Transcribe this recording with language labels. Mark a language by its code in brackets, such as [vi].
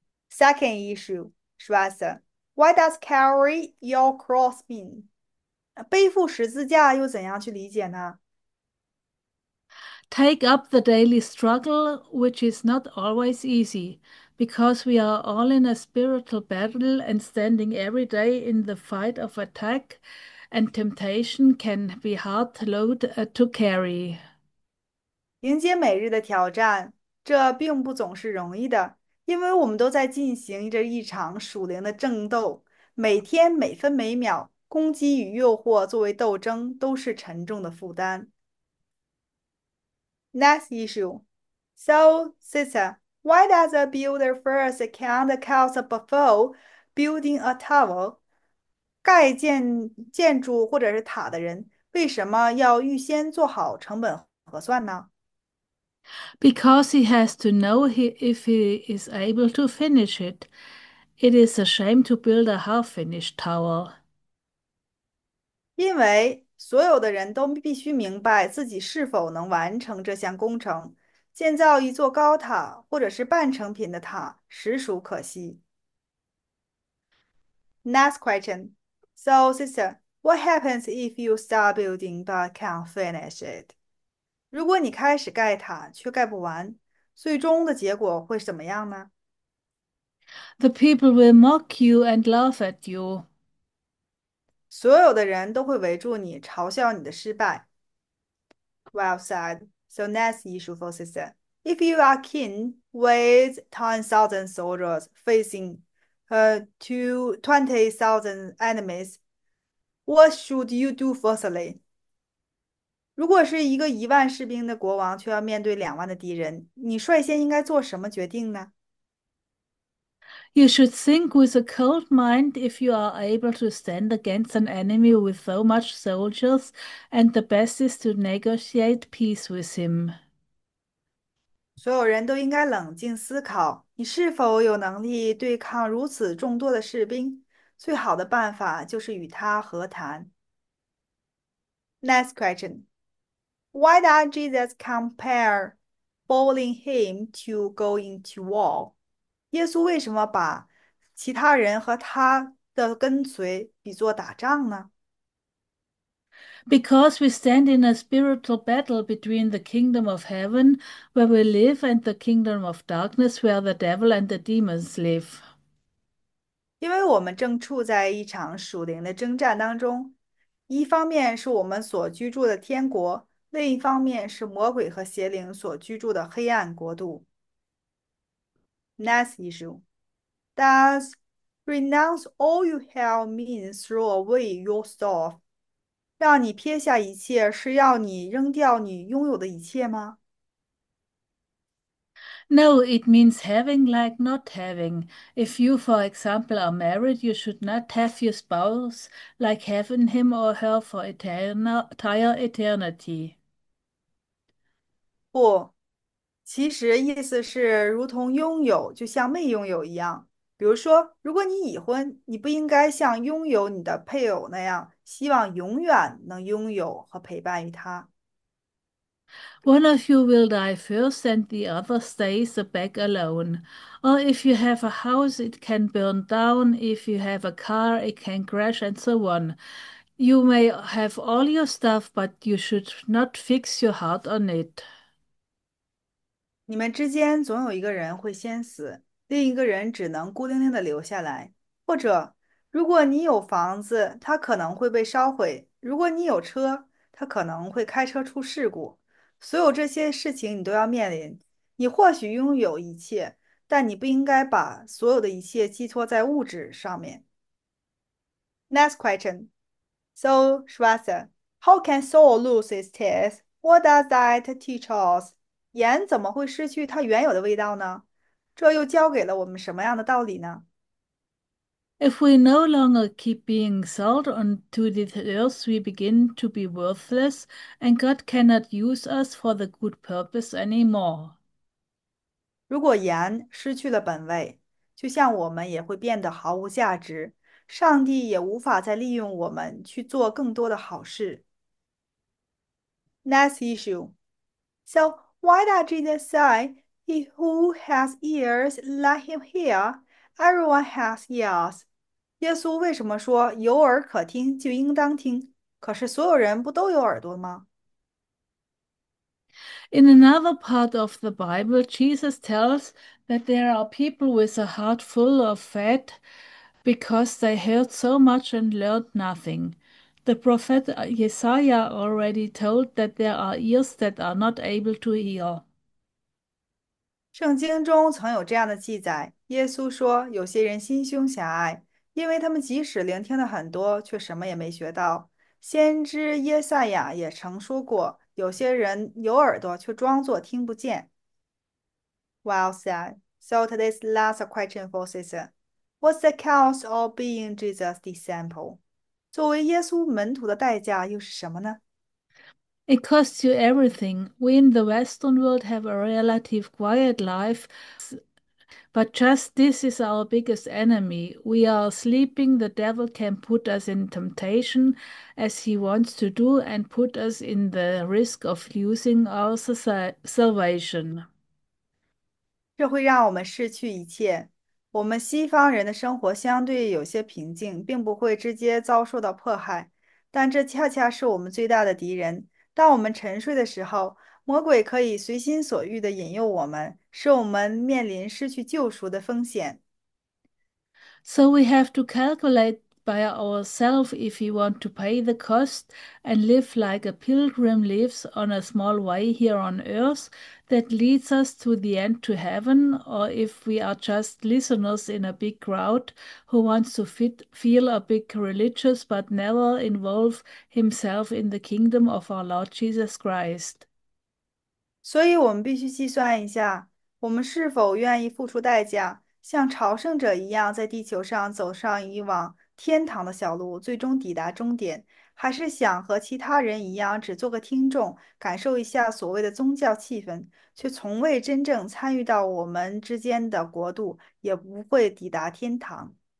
[en] Second issue, stressor, why does carry your cross mean? [zh] 背负十字架又怎样去理解呢？ [en] Take up the daily struggle, which is not always easy, because we are all in a spiritual battle and standing every day in the fight of attack, and temptation can be hard load to carry. [zh] 迎接每日的挑战，这并不总是容易的，因为我们都在进行着一场属灵的争斗，每天每分每秒，攻击与诱惑作为斗争，都是沉重的负担。 [en] Next issue. So, sister, why does a builder first count the cost before building a tower? [zh] 盖建筑或者是塔的人，为什么要预先做好成本核算呢？ [en] Because he has to know if he is able to finish it. It is a shame to build a half-finished tower. [zh] 因为所有的人都必须明白自己是否能完成这项工程，建造一座高塔或者是半成品的塔，实属可惜。 [en] Next question. So, sister, what happens if you start building but can't finish it? [zh] 如果你开始盖塔却盖不完，最终的结果会怎么样呢？ [en] The people will mock you and laugh at you. [zh] 所有的人都会围住你，嘲笑你的失败。 [en] Well said. So next issue for sister. If you are king with 10,000 soldiers facing 20,000 enemies, what should you do firstly? [zh] 如果是一个1万士兵的国王，却要面对2万的敌人，你率先应该做什么决定呢？ [en] You should think with a cold mind if you are able to stand against an enemy with so much soldiers, and the best is to negotiate peace with him. [zh] 所有人都应该冷静思考，你是否有能力对抗如此众多的士兵？最好的办法就是与他和谈。 [en] Next question. Why does Jesus compare following him to going to war? [zh] 耶稣为什么把其他人和他的跟随比作打仗呢？ [en] Because we stand in a spiritual battle between the kingdom of heaven where we live and the kingdom of darkness where the devil and the demons live. [zh] 因为我们正处在一场属灵的征战当中，一方面是我们所居住的天国，另一方面是魔鬼和邪灵所居住的黑暗国度。 [en] Next issue. Does renounce all you have mean throw away your stuff? [zh] 让你撇下一切，是要你扔掉你拥有的一切吗？ [en] No, it means having like not having. If you, for example, are married, you should not have your spouse like having him or her for entire eternity. [zh] 不，其实意思是如同拥有，就像没拥有一样。比如说，如果你已婚，你不应该像拥有你的配偶那样，希望永远能拥有和陪伴于他。 [en] One of you will die first and the other stays back alone. Or if you have a house, it can burn down. If you have a car, it can crash, and so on. You may have all your stuff, but you should not fix your heart on it. [zh] 你们之间总有一个人会先死，另一个人只能孤零零地留下来。或者，如果你有房子，它可能会被烧毁；如果你有车，它可能会开车出事故。所有这些事情你都要面临。你或许拥有一切，但你不应该把所有的一切寄托在物质上面。 [en] Next question. So, Schwarzer, how can soul lose its taste? What does that teach us? [zh] 盐怎么会失去它原有的味道呢？这又教给了我们什么样的道理呢？ [en] If we no longer keep being salt onto this earth, we begin to be worthless, and God cannot use us for the good purpose anymore. [zh] 如果盐失去了本味，就像我们也会变得毫无价值，上帝也无法再利用我们去做更多的好事。 [en] Next issue. So, why does Jesus say, He who has ears, let him hear. Everyone has ears. [zh] 耶稣为什么说有耳可听就应当听？可是所有人不都有耳朵吗？ [en] In another part of the Bible, Jesus tells that there are people with a heart full of fat because they heard so much and learned nothing. The prophet Isaiah already told that there are ears that are not able to hear. [zh] 圣经中曾有这样的记载，耶稣说：“有些人心胸狭隘，因为他们即使聆听了很多，却什么也没学到。 ”先知耶赛亚也曾说过：“有些人有耳朵，却装作听不见。 [en] ”Well said. So today's last question for Caesar: What's the cost of being Jesus' disciple？ [zh] 作为耶稣门徒的代价又是什么呢？ [en] It costs you everything. We in the Western world have a relative quiet life, but just this is our biggest enemy. We are sleeping. The devil can put us in temptation, as he wants to do, and put us in the risk of losing our salvation. [zh] 这会让我们失去一切。我们西方人的生活相对有些平静，并不会直接遭受到迫害，但这恰恰是我们最大的敌人。当我们沉睡的时候，魔鬼可以随心所欲地引诱我们，使我们面临失去救赎的风险。 [en] So we have to calculate by ourselves if we want to pay the cost and live like a pilgrim lives on a small way here on earth that leads us to the end to heaven, or if we are just listeners in a big crowd who wants to feel a bit religious but never involve himself in the kingdom of our Lord Jesus Christ. [zh] 所以，我们必须计算一下，我们是否愿意付出代价，像朝圣者一样，在地球上走上以往天堂的小路，最终抵达终点，还是想和其他人一样，只做个听众，感受一下所谓的宗教气氛，却从未真正参与到我们之间的国度，也不会抵达天堂。